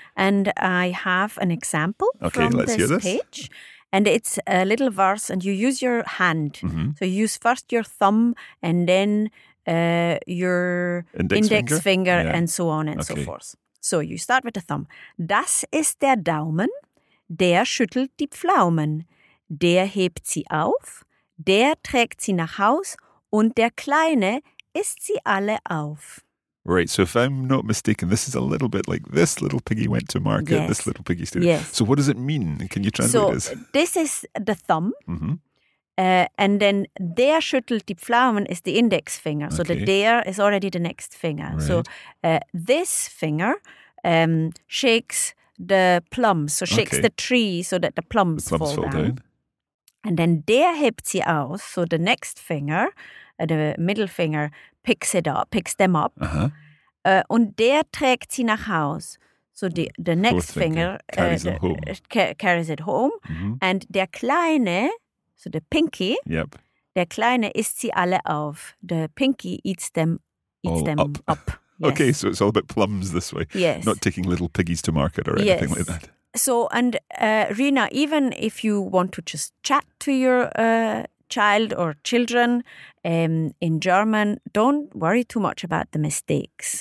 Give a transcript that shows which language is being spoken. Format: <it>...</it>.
<en>And I have an example from this page. And it's a little verse, and you use your hand. Mm-hmm. So you use first your thumb and then your index finger yeah, and so on and okay, so forth. So you start with the thumb.</en> <de>Das ist der Daumen, der schüttelt die Pflaumen. Der hebt sie auf, der trägt sie nach Haus und der Kleine isst sie alle auf.</de> <en>Right, so if I'm not mistaken, this is a little bit like this little piggy went to market, yes, this little piggy stood. Yes. So what does it mean? Can you translate this? So this is the thumb. Mm-hmm. And then</en> <de>der schüttelt die Pflaumen</de> <en>is the index finger. Okay. So the der is already the next finger. Right. So this finger shakes the plums, so shakes okay, the tree so that the plums fall down. And then</en> <de>der hebt sie aus,</de> <en>so the next finger, the middle finger, picks them up. Uh-huh.</en> <de>Und der trägt sie nach Haus.</de> <en>So the next finger carries it home. Mm-hmm. And</en> <de>der Kleine,</de> <en>so the pinky, yep.</en> <de>Der Kleine isst sie alle auf.</de> <en>The pinky eats them up. Yes. Okay, so it's all about plums this way. Yes. Not taking little piggies to market or anything like that. So, and Rina, even if you want to just chat to your child or children in German, don't worry too much about the mistakes.</en>